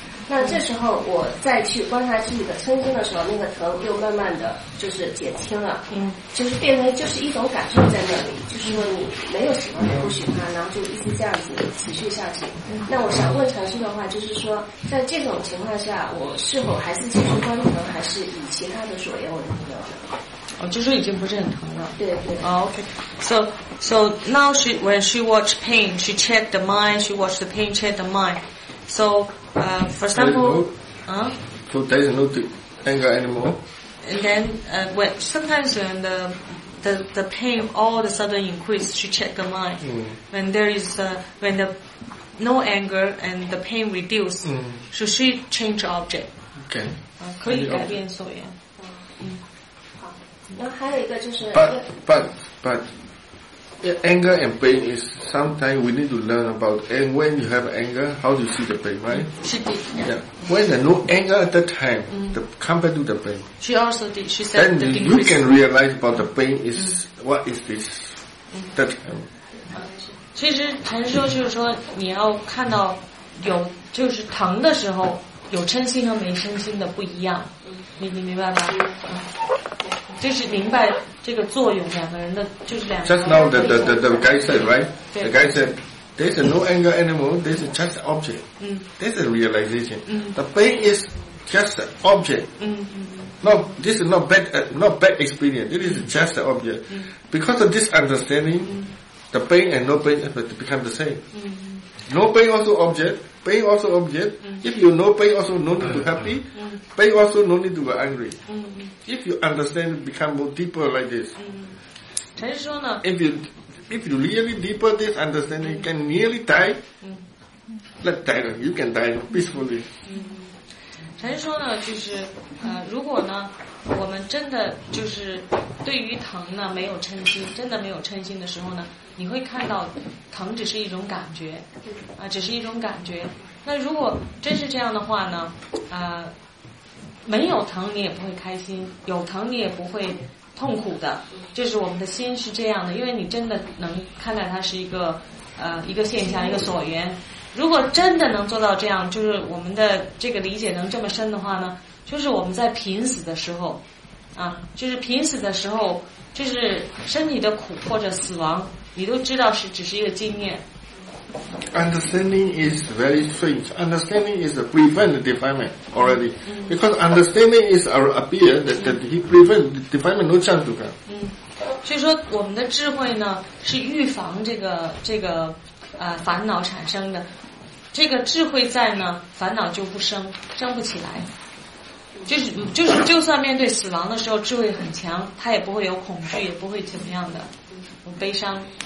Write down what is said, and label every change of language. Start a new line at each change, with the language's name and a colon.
Chinese: 那这时候我再去观察自己的嗔心的时候，那个疼又慢慢的就是减轻了，就是变成就是一种感受在那里，就是说你没有喜欢也不喜欢，然后就一直这样子持续下去。那我想问禅师的话，就是说在这种情况下，我是否还是继续观疼，还是以其他的所有的疼？哦，就是已经不是很疼了。对对。哦、oh, ，OK。
English: So now when she watch pain, she check the mind. She watch the pain, check the mind. So. For example, there is no anger anymore. And then, when sometimes when the pain all of a sudden increase, she check the mind. When there is when the no anger and the pain reduce, so she change object. Okay.
Chinese: 可以改变所缘。嗯。好，然后还有一个就是。
English: But. Anger and pain is something we need to learn about. And when you have anger, how do you see the pain, right? She did, yeah. When there's no anger at that time, compared to the pain. She also did, she said the decrease. Then you can realize about the pain is, what is this, that time.
Chinese: 其实陈叔就是说你要看到有就是疼的时候有嗔心和没嗔心的不一样。你明白吗？就是明白这个作用，两个人的就是两个人。
English: Just now the guy said, right? The guy said, there's no anger anymore, there's just object. There's a realization. The pain is just an object. This is not bad experience. It is just an object. Because of this understanding, the pain and no pain become the same. No pain also object, pain also object. If you no pain also no need to happy, pain also no need to be angry. If you understand, become more deeper like this.
Chinese: 陈师说呢
English: If you really deeper this understanding, you can nearly die. Let die, you can die peacefully.
Chinese: 陈师说呢，就是如果呢，我们真的就是对于疼呢没有嗔心，真的没有嗔心的时候呢，你会看到疼只是一种感觉，只是一种感觉。那如果真是这样的话呢，没有疼你也不会开心，有疼你也不会痛苦的，就是我们的心是这样的，因为你真的能看待它是一个一个现象，一个所缘。如果真的能做到这样，就是我们的这个理解能这么深的话呢，就是我们在濒死的时候就是濒死的时候，就是身体的苦或者死亡，你都知道是只是一个经验。
English: Understanding is very strange. Understanding is a prevent defilement already. Because understanding is appear that he prevent defilement no chance to come.
Chinese: 所以说我们的智慧呢是预防这个烦恼产生的。这个智慧在呢，烦恼就不生不起来。就是就算面对死亡的时候智慧很强，他也不会有恐惧，也不会怎么样的悲伤。